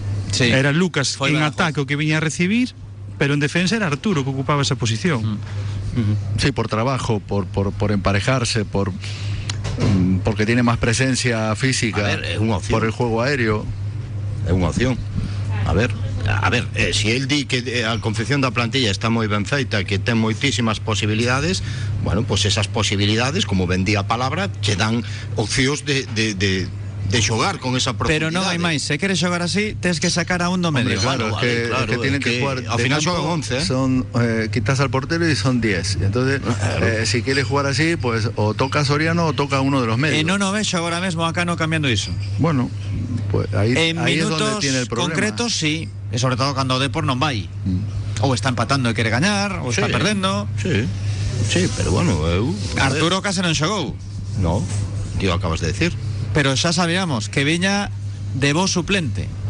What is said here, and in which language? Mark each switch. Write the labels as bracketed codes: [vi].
[gl] Sí, era Lucas en ataque o que viña a recibir, pero en defensa era Arturo que ocupaba esa posición. [es] Sí, por trabajo, por emparejarse, porque tiene más presencia física. A ver, es una opción. Por el juego aéreo. Es una opción. [gl] A ver, si él di que a confección da plantilla está moi ben feita, que ten moitísimas posibilidades, bueno, pues esas posibilidades, como vendía a palabra, che dan opcións de xogar con esa profundidade. Pero non hai máis, se queres xogar así, tens que sacar a un do medio. [es] Hombre, claro, que tienen que jugar. Al final [gl] xogan 11, [es] quitas al portero [gl] e son 10. [es] Entonces, claro. Si [gl] queres [es] jugar así, pues o toca Soriano o toca uno de los medios. [gl] E non o ves agora mesmo acá no cambiando iso. [es] Bueno, pues ahí es donde tiene el problema. En minutos concretos, sí. [gl] E sobre todo cando o Depor non vai. Ou está empatando e quere gañar, ou está perdendo. [es] Sí, pero bueno, [gl] Arturo case non xogou. [es] No, tío, acabas de decir. [gl] Pero xa sabíamos que viña de voz suplente.